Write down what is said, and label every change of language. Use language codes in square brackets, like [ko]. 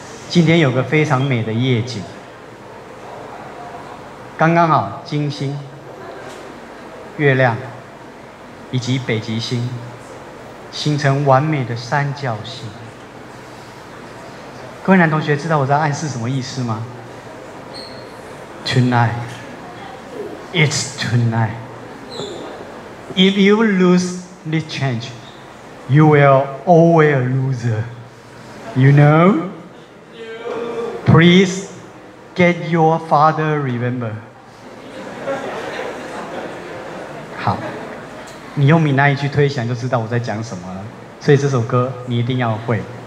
[zh] 今天有个非常美的夜景，刚刚好金星、月亮以及北极星形成完美的三角形。各位男同学，知道我在暗示什么意思吗？ [en] Tonight, it's tonight. If you lose this change, you will always a loser. You know? Please get your father remember. [zh] 好，你用闽南语去推想就知道我在讲什么了。所以这首歌你一定要会。